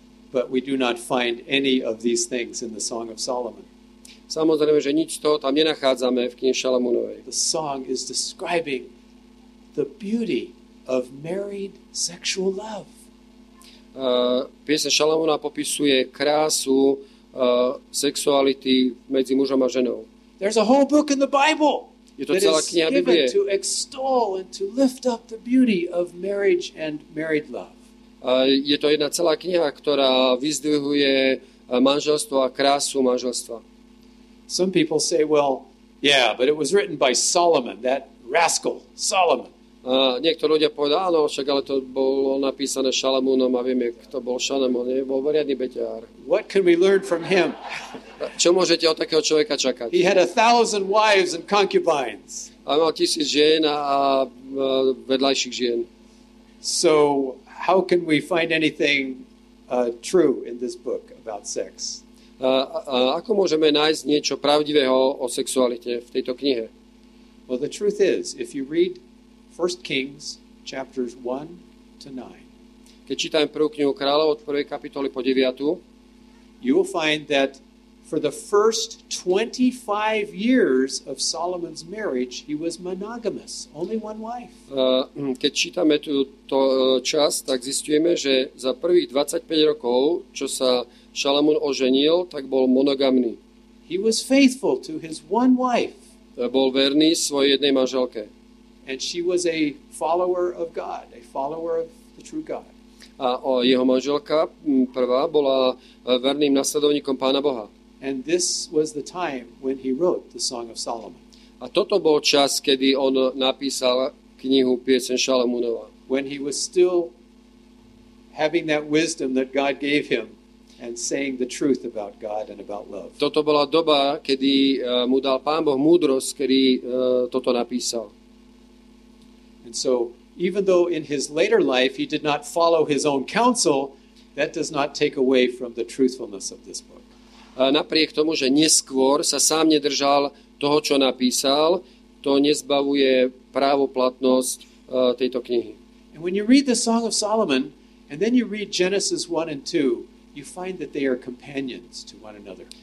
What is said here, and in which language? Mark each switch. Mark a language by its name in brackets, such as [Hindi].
[English] But we do not find any of these things in the Song of Solomon. [Slovak] Samozrejme, že nič z toho tam nenachádzame v knihe Šalamúnovej. [English] The song is describing the beauty of married sexual love. [Slovak] Piesne Šalamúna popisuje krásu sexuality medzi mužom a ženou. [English] There's a whole book in the Bible. [Slovak] Je to celá kniha Biblie. [English] To extol and to lift up the beauty of marriage and married love. [Slovak] Je to jedna celá kniha, ktorá vyzdvihuje manželstvo a krásu manželstva. [English] Some people say, well, yeah, but it was written by Solomon, that rascal, Solomon. [Slovak] Niektorí ľudia povedali, áno, však ale to bolo napísané Šalamúnom a vieme, kto bol Šalamún, nie? Bol poriadny beťár. [English] What can we learn from him? [Slovak] Čo môžete od takého človeka čakať? [English] He had 1,000 wives and concubines. [Slovak] A mal 1,000 žien a vedľajších žien. [English] So how can we find anything true in this book about sex? [Slovak] Ako môžeme nájsť niečo pravdivého o sexualite v tejto knihe? [English] Well, the truth is, if you read 1 Kings chapters 1 to 9. [Slovak] Keď čítame prvú knihu kráľov od 1. kapitoly po 9. [English] You will find that for the first 25 years of Solomon's marriage, he was monogamous, only one wife. [Slovak] Keď čítame túto čas, tak zistujeme, že za prvých 25 rokov, čo sa Šalamún oženil, tak bol monogamný. [English] He was faithful to his one wife. [Slovak] Bol verný svojej jednej manželke. [English] And she was a follower of God, a follower of the true God. [Slovak] A jeho manželka prvá bola verným nasledovníkom Pána Boha. [English] And this was the time when he wrote the Song of Solomon. [Slovak] A toto bol čas, kedy on napísal knihu Pieseň Šalamúnova. [English] When he was still having that wisdom that God gave him and saying the truth about God and about love. [Slovak] Toto bola doba, kedy mu dal Pán Boh múdrosť, kedy toto napísal. [English] And so even though in his later life he did not follow his own counsel, that does not take away from the truthfulness of this book. [Slovak] Napriek tomu, že neskôr sa sám nedržal toho, čo napísal, to nezbavuje právoplatnosť tejto knihy. [English] And when you read the Song of Solomon and then you read Genesis 1 and 2, you find that they are companions to one another.